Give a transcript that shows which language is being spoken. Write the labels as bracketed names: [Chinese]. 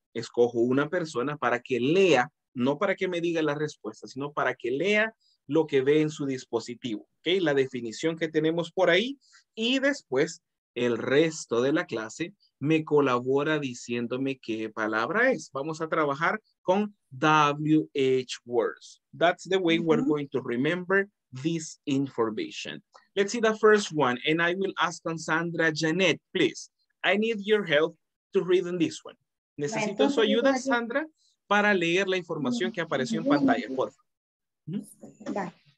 [Spanish] Escojo una persona para que lea, no para que me diga la respuesta, sino para que lea lo que ve en su dispositivo, ¿ok? La definición que tenemos por ahí y después el resto de la clase me colabora diciéndome qué palabra es. Vamos a trabajar con WH words. [English] That's the way we're going to remember this information. Let's see the first one, and I will ask Sandra Janet, please. I need your help to read in this one. [Spanish] Necesito su ayuda, Sandra, para leer la información que apareció en pantalla, por favor.